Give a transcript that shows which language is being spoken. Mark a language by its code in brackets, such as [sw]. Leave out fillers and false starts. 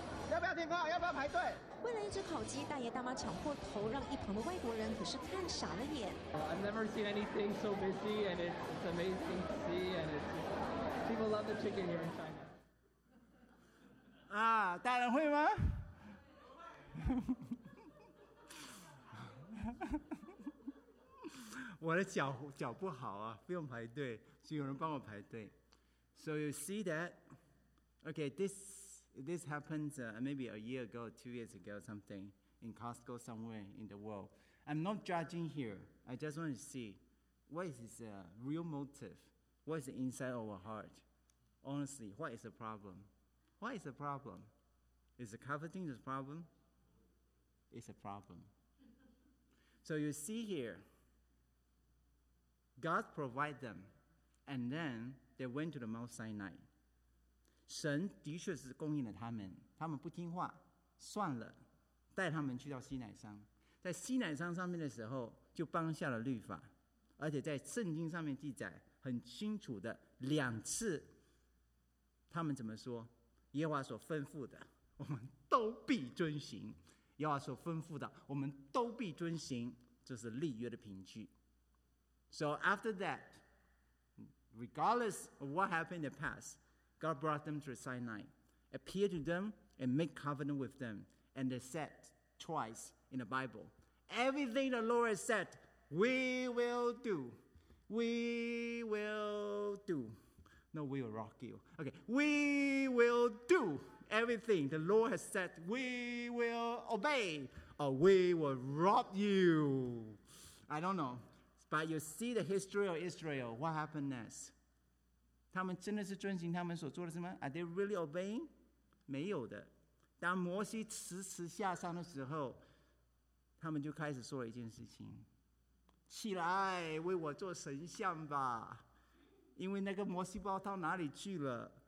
[zh] 要不要停靠？要不要排队？为了一只烤鸡，大爷大妈抢破头，让一旁的外国人可是看傻了眼。 [en] I've never seen anything so busy, and it's amazing to see. And it's people love the chicken here in China. [zh] 啊，大人会吗？我的脚不好啊，不用排队，所以有人帮我排队。 [en] So you see that? Okay, this. This happened maybe a year ago, 2 years ago, something, in Costco somewhere in the world. I'm not judging here. I just want to see what is his real motive? What is the inside of our heart? Honestly, what is the problem? What is the problem? Is the coveting the problem? It's a problem. So you see here, God provided them, and then they went to the Mount Sinai. [zh] 神的确是供应了他们，他们不听话，算了，带他们去到西乃山，在西乃山上面的时候，就颁下了律法，而且在圣经上面记载很清楚的两次，他们怎么说？耶和华所吩咐的，我们都必遵行；耶和华所吩咐的，我们都必遵行，这是立约的凭据。 [en] So after that, regardless of what happened in the past. God brought them to Sinai, appeared to them, and made covenant with them. And they said twice in the Bible, everything the Lord has said, we will do. We will do. No, we will rock you. Okay, we will do everything the Lord has said, we will obey, or we will rob you. I don't know. But you see the history of Israel, what happened next? [zh] 他们真的是遵行他们所做的什么？ [en] Are they really obeying? [zh] 没有的。当摩西迟迟下山的时候，他们就开始说了一件事情：起来，为我做神像吧！因为那个摩西包到哪里去了？